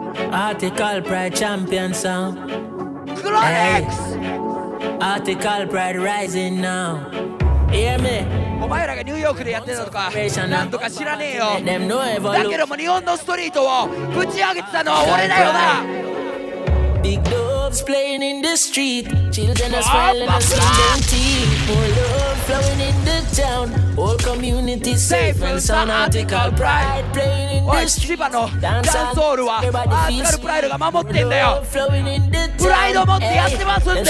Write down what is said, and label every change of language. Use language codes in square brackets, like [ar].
[ja] アーティカルプライチャンピオンさん。クロネックス。 [en] Article pride rising now. Hear me? [ja] お前らがニューヨークでやってたとか何とか知らねえよ。 [en] Them no evil look. [ja] だけども日本のストリートをぶち上げてたのは俺だよな。 [en] Big doves playing in the street, children are smiling and singing tea. More love flowing in the town, whole community safe and sound. Article pride playing in the street. [ja] おい、千葉のダンスホールはアーティカルプライドが守ってんだよ。プライド持ってやってますんで。